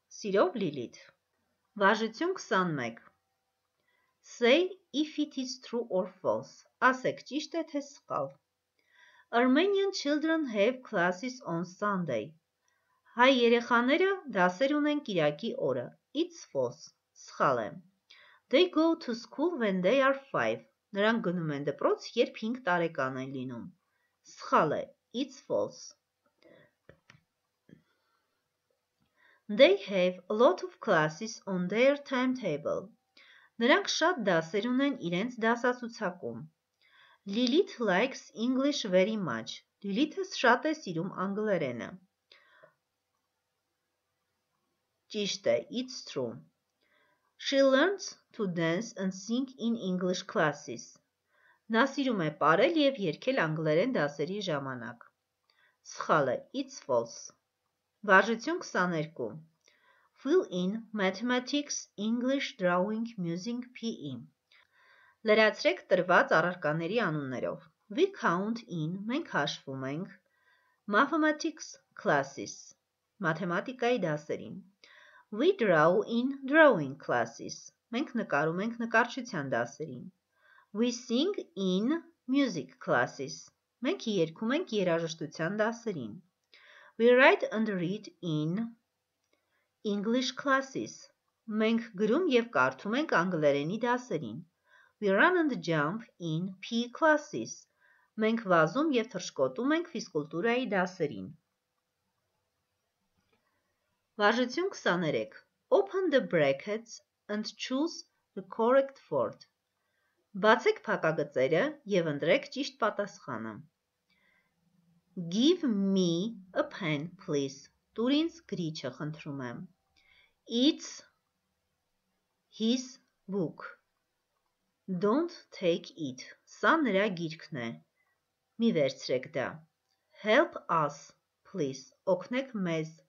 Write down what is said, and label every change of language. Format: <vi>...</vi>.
<hy>Սիրով,</hy> <en>Lilith. Վարժություն 21. Say if it is true or false.</en> <hy>Ասեք, ճիշտ է թե սխալ։</hy> <en>Armenian children have classes on Sunday.</en> <hy>Հայ երեխաները դասեր ունեն կիրակի օրը։</hy> <en>It's false.</en> <hy>Սխալ է։</hy> <en>They go to school when they are 5.</en> <hy>Նրանք գնում են դպրոց, երբ 5 տարեկան են լինում։ Սխալ է։</hy> <en>It's false. They have a lot of classes on their timetable.</en> <hy>Նրանք շատ դասեր ունեն իրենց դասացուցակում։</hy> <en>Lilith likes English very much.</en> <hy>Lilith-ը շատ է սիրում անգլերենը։ Ճիշտ է,</hy> <en>it's true. She learns to dance and sing in English classes.</en> <hy>Նա սիրում է պարել եւ երգել անգլերեն դասերի ժամանակ։ Սխալ է,</hy> <en>it's false.</en> <hy>Վարժություն 22.</hy> <en>Fill in mathematics, English, drawing, music, PE.</en> <hy>Լրացրեք տրված առարկաների անուններով։</hy> <en>We count in,</en> <hy>մենք հաշվում ենք,</hy> <en>mathematics classes,</en> <hy>մաթեմատիկայի դասերին։</hy> <en>We draw in drawing classes,</en> <hy>մենք նկարում ենք նկարչության դասերին։</hy> <en>We sing in music classes,</en> <hy>մենք երգում ենք երաժշտության դասերին։</hy> <en>We write and read in English classes,</en> <hy>մենք գրում եւ կարդում ենք անգլերենի դասերին։</hy> <en>We run and jump in PE classes.</en> <hy>Մենք վազում եւ թռչկոտում ենք ֆիզկուլտուրայի դասերին։ Վարժություն 23.</hy> <en>Open the brackets and choose the correct word.</en> <hy>Բացեք փակագծերը եւ ընտրեք ճիշտ պատասխանը։</hy> <en>Give me a pen, please.</en> <hy>Դուր ինձ գրիչը, խնդրում եմ։</hy> <en>It's his book. Don't take it.</en> <hy>Սա նրա գիրքն է։ Մի վերցրեք դա։</hy> <en>Help us, please.</en> <hy>Օգնեք մեզ,</hy>